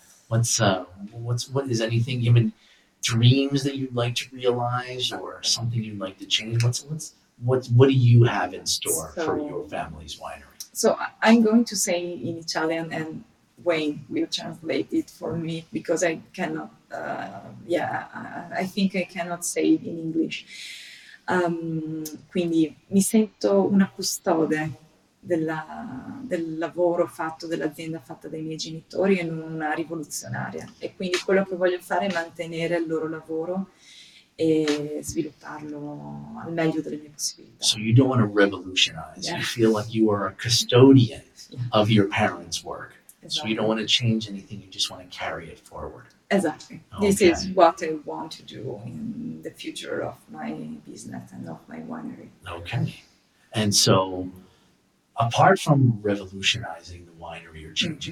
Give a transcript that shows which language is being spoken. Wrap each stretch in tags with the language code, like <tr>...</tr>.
<en>What is anything even dreams that you'd like to realize or something you'd like to change? What do you have in store for your family's winery? So I'm going to say in Italian and Wayne will translate it for me because I cannot, I think I cannot say it in English.</en> <it>Quindi mi sento una custode del lavoro fatto, dell'azienda fatta dai miei genitori e non una rivoluzionaria. E quindi quello che voglio fare è mantenere il loro lavoro e svilupparlo al meglio delle mie possibilità.</it> <en>So you don't want to revolutionize. Yeah. You feel like you are a custodian of your parents' work.</en> <it>Esatto.</it> <en>So you don't want to change anything, you just want to carry it forward. Exactly. Okay. This is what I want to do in the future of my business and of my winery. Okay. And so apart from revolutionizing the winery or changing</en>